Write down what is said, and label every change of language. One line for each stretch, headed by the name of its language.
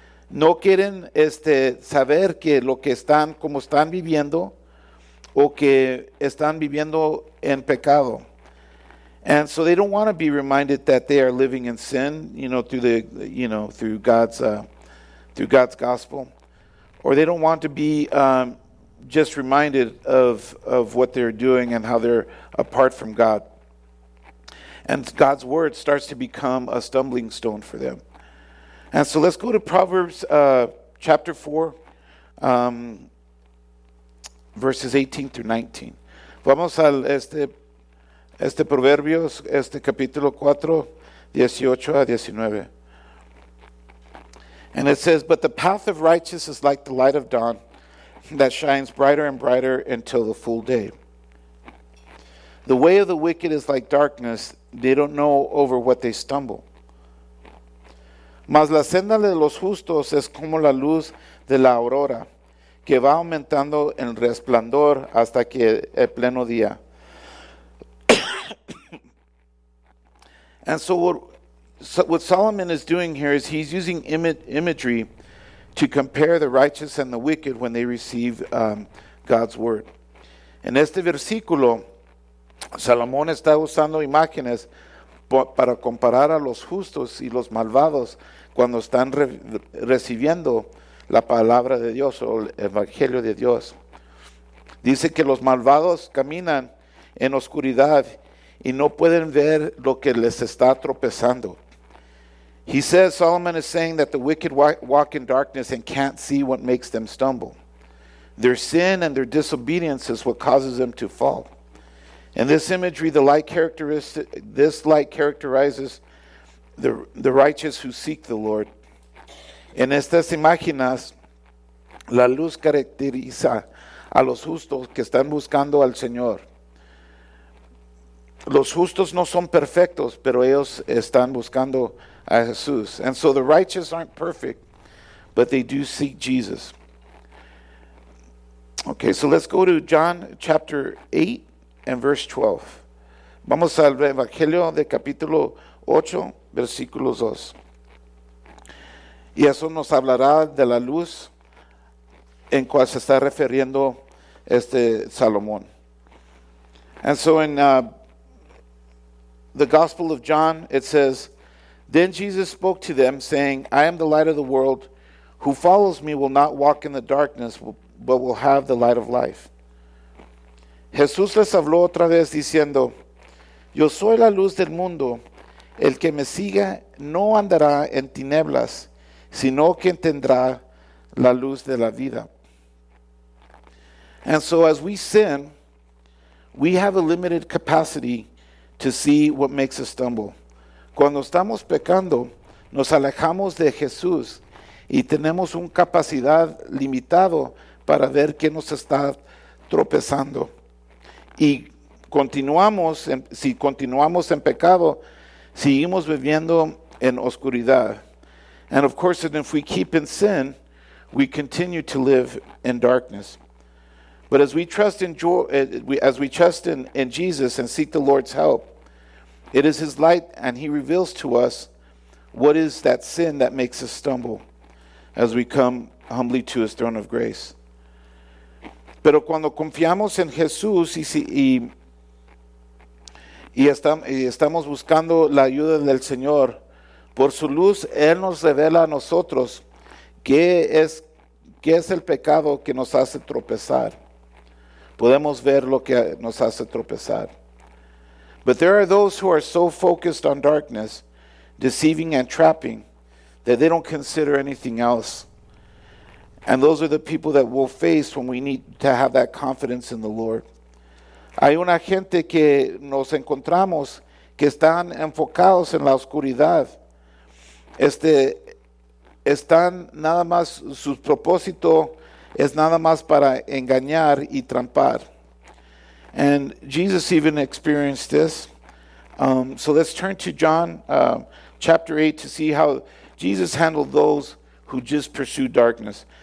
Spanish: No quieren saber que lo que están, como están viviendo, o que están viviendo en pecado.
English: And so they don't want to be reminded that they are living in sin, you know, through the, you know, through God's gospel. Or they don't want to be just reminded of what they're doing and how they're apart from God. And God's word starts to become a stumbling stone for them. And so let's go to Proverbs chapter 4, verses 18 through 19.
Spanish: Vamos al Proverbios, capítulo 4, 18 a 19.
English: And it says, but the path of righteous is like the light of dawn that shines brighter and brighter until the full day. The way of the wicked is like darkness. They don't know over what they stumble.
Spanish: Mas la senda de los justos es como la luz de la aurora, que va aumentando en resplandor hasta que el pleno día.
English: And so what Solomon is doing here is he's using imagery to compare the righteous and the wicked when they receive God's word.
Spanish: En este versículo, Salomón está usando imágenes para comparar a los justos y los malvados cuando están recibiendo la palabra de Dios o el evangelio de Dios. Dice que los malvados caminan en oscuridad y no pueden ver lo que les está tropezando.
English: He says, Solomon is saying that the wicked walk in darkness and can't see what makes them stumble. Their sin and their disobedience is what causes them to fall. In this imagery, this light characterizes the righteous who seek the Lord.
Spanish: En estas imágenes, la luz caracteriza a los justos que están buscando al Señor. Los justos no son perfectos, pero ellos están buscando a Jesús.
English: And so the righteous aren't perfect, but they do seek Jesus. Okay, so let's go to John chapter 8 and verse 12.
Spanish: Vamos al Evangelio de capítulo 8, versículos 2. Y eso nos hablará de la luz en cual se está refiriendo Salomón.
English: And so in the Gospel of John, it says, then Jesus spoke to them, saying, I am the light of the world. Who follows me will not walk in the darkness, but will have the light of life.
Spanish: Jesús les habló otra vez diciendo, Yo soy la luz del mundo. El que me siga no andará en tinieblas, sino que tendrá la luz de la vida.
English: And so as we sin, we have a limited capacity to see what makes us stumble.
Spanish: Cuando estamos pecando, nos alejamos de Jesús y tenemos una capacidad limitada para ver qué nos está tropezando. Y continuamos en pecado, seguimos viviendo en oscuridad.
English: And of course, if we keep in sin, we continue to live in darkness. But as we trust in Jesus and seek the Lord's help, it is His light, and He reveals to us what is that sin that makes us stumble as we come humbly to His throne of grace.
Spanish: Pero cuando confiamos en Jesús y estamos buscando la ayuda del Señor, por su luz, Él nos revela a nosotros qué es el pecado que nos hace tropezar. Podemos ver lo que nos hace tropezar.
English: But there are those who are so focused on darkness, deceiving and trapping, that they don't consider anything else. And those are the people that we'll face when we need to have that confidence in the Lord.
Spanish: Hay una gente que nos encontramos que están enfocados en la oscuridad. Están nada más, su propósito es nada más para engañar y trampar.
English: And Jesus even experienced this. So let's turn to John chapter 8 to see how Jesus handled those who just pursue darkness.